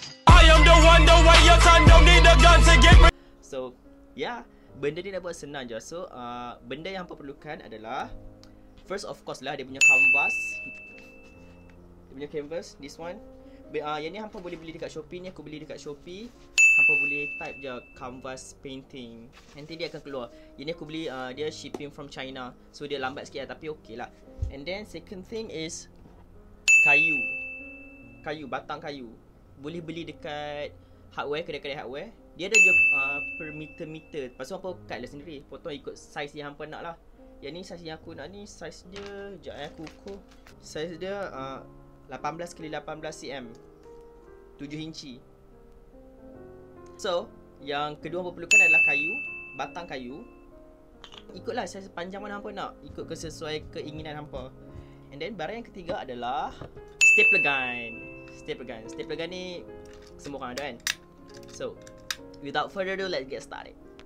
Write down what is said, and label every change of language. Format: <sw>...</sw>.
<en>I am the one, the way your son don't need a gun to get me.</en> <ms>So, yeah. Benda ni dah buat senang je. So, benda yang hampa perlukan adalah</ms> <en>first of course</en> <ms>lah, dia punya canvas. Dia punya canvas,</ms> <en>this one.</en> <ms>Yang ni hampa boleh beli dekat Shopee ni. Aku beli dekat Shopee. Hampa boleh type je canvas painting. Nanti dia akan keluar. Yang ni aku beli, dia</ms> <en>shipping from China.</en> <ms>So, dia lambat sikit lah, tapi okey lah.</ms> <en>And then, second thing is kayu.</en> <ms>Kayu, batang kayu. Boleh beli dekat hardware, kedai-kedai hardware. Dia ada je per meter-meter. Pasal apa kat lah sendiri. Potong ikut saiz yang hampa nak lah. Yang ni saiz yang aku nak ni, saiz dia, sekejap eh aku ukur. Saiz dia 18x18cm, 7 inci. So, yang kedua apa perlukan adalah kayu, batang kayu. Ikutlah saiz panjang mana hampa nak, ikut sesuai keinginan hampa.</ms> <en>And then</en> <ms>barang yang ketiga adalah stapler gun. Stapler gun, stapler gun ni semua orang ada kan.</ms> <en>So, without further ado, let's get started.</en>